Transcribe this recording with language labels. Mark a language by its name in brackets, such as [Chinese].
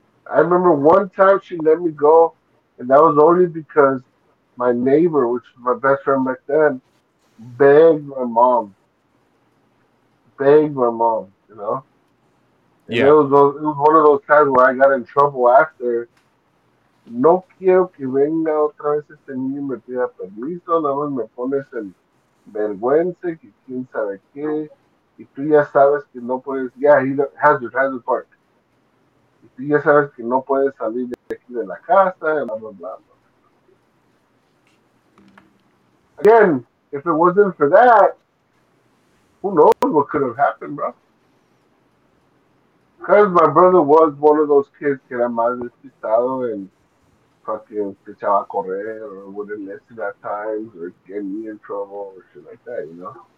[English] I remember one time she let me go, and that was only because my neighbor, which was my best friend back then, begged my mom, you know? And yeah. It was one of those times where I got in trouble after. [Spanish] No quiero que venga otra vez este niño me pida permiso, nada más me pones en vergüenza, que quién sabe qué, y tú ya sabes que no puedes, yeah, Hazard Park. Y tú ya sabes que no puedes salir de aquí de la casa, y blah, blah, blah. [English] Again, if it wasn't for that, who knows what could have happened, bro? Because my brother was one of those kids [Spanish] que era más despistado [English] and fucking [Spanish] se echaba a correr [English] or wouldn't listen at times or get me in trouble or shit like that, you know?